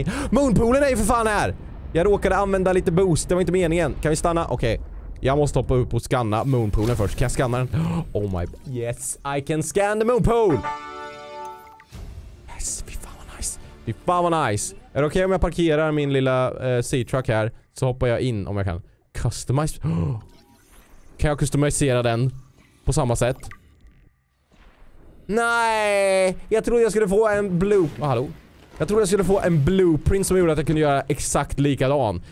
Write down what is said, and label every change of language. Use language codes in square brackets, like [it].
[sv] Moonpoolen är ju för fan här! Jag råkade använda lite boost. Det var inte meningen. Kan vi stanna? Okej. Jag måste hoppa upp och scanna moonpoolen först. Kan jag scanna den? [en] Oh my... Yes, I can scan the moonpool! [sv] Yes, fy fan vad nice. Fy fan vad nice. Är det okej om jag parkerar min lilla sea truck här? Så hoppar jag in om jag kan. Customize... Kan jag customisera den på samma sätt? Nej! Jag trodde jag skulle få en blue... Oh, hallå? Jag trodde jag skulle få en blueprint som gjorde att jag kunde göra exakt likadan.